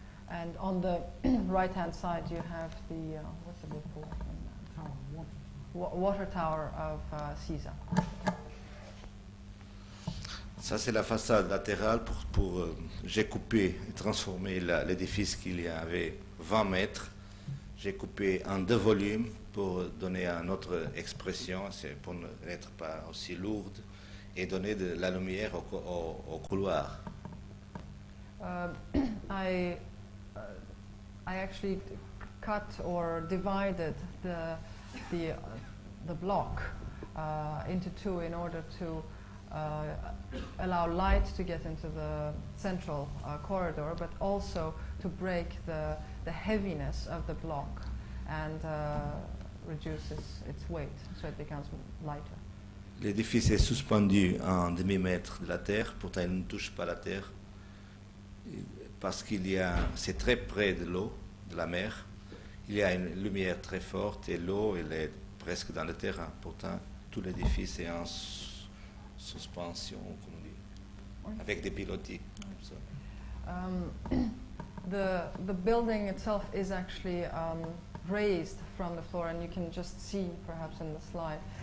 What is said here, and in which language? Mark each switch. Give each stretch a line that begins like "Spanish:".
English: And on the right-hand side, you have the what's the name for water tower of CISA.
French: Ça c'est la façade latérale pour j'ai coupé et transformé l'édifice qu'il y avait 20 mètres. J'ai coupé en deux volumes pour donner une autre expression, c'est pour n'être pas aussi lourde et donner de la lumière au couloir.
English: I actually cut or divided the block into two in order to allow light to get into the central corridor, but also to break the heaviness of the block and reduces its weight, so it becomes lighter.
French: L'édifice est suspendu en demi-mètre de la terre, pourtant il ne touche pas la terre. Parce qu'il y a, c'est très près de l'eau, de la mer, il y a une lumière très forte et l'eau, elle est presque dans le terrain. Pourtant, tout l'édifice est en suspension, comme on dit, avec des pilotis.
English: The building itself is actually raised from the floor, and you can just see perhaps in the slide.